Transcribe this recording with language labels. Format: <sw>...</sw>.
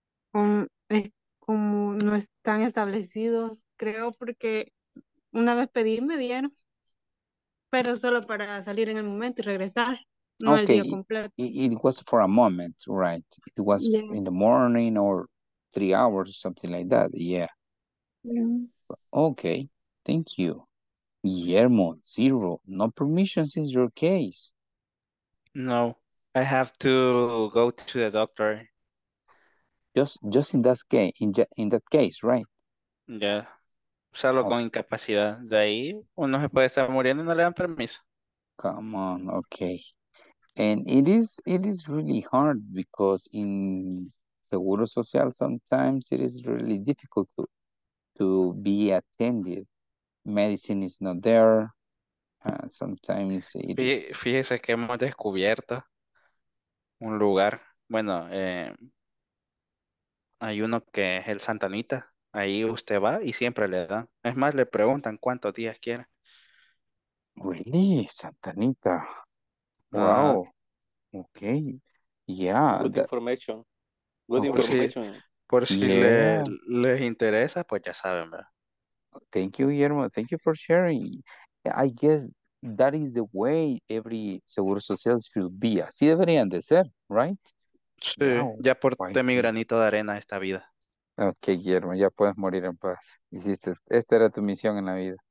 <es>Como no están establecidos, creo, porque una vez pedí me dieron, pero solo para salir en el momento y regresar, no okay. El día completo.</es> <en>It was for a moment, right? It was yeah. In the morning or 3 hours, something like that, yeah. Yeah. Okay, thank you. Guillermo, 0. No permissions is your case. No, I have to go to the doctor. Just in that case, in that case, right?</en> <es>Yeah. Solo con incapacidad. De ahí, uno se puede estar muriendo y no le dan permiso.</es> <en>Come on, okay. And it is really hard because in Seguro Social, sometimes it is really difficult to be attended. Medicine is not there. Sometimes it is...</en> <es>Fíjese que hemos descubierto un lugar. Bueno, hay uno que es el Santa Anita. Ahí usted va y siempre le dan. Es más, le preguntan cuántos días quiere.</es> <en>Really? Santa Anita. Wow. Okay. Yeah. Good information. Good information.</en> <es>Por si les interesa, pues ya saben, ¿verdad?</es> <en>Thank you, Guillermo. Thank you for sharing. I guess that is the way every Seguro Social should be.</en> <es>Así deberían de ser, right? Sí, wow. Ya aporté mi granito de arena a esta vida. Ok, Guillermo, ya puedes morir en paz. Hiciste, esta era tu misión en la vida.</es>